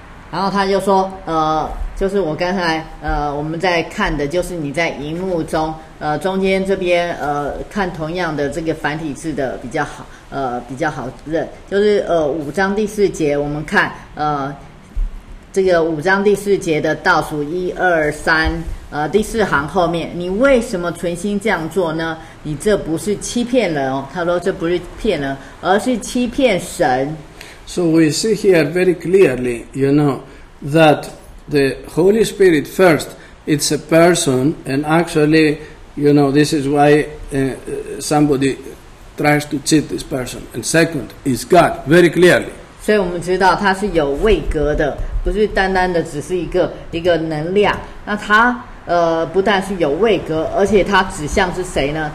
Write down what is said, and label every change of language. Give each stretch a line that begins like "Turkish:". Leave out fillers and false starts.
Chinese: 然后他就说就是我刚才我们在看的，就是你在荧幕中中间这边看同样的这个繁体字的比较好认，就是五章第四节，我们看这个五章第四节的倒数一二三第四行后面，你为什么存心这样做呢？你这不是欺骗人哦，他说这不是骗人，而是欺骗神。
English: So we see here very clearly, you know, that the Holy Spirit first, it's a person, and actually, you know, this is why somebody tries to cheat this person. And second, is God, very clearly.
Chinese: 所以我们知道他是有位格的，不是单单的只是一个能量。那他不但是有位格，而且他指向是谁呢？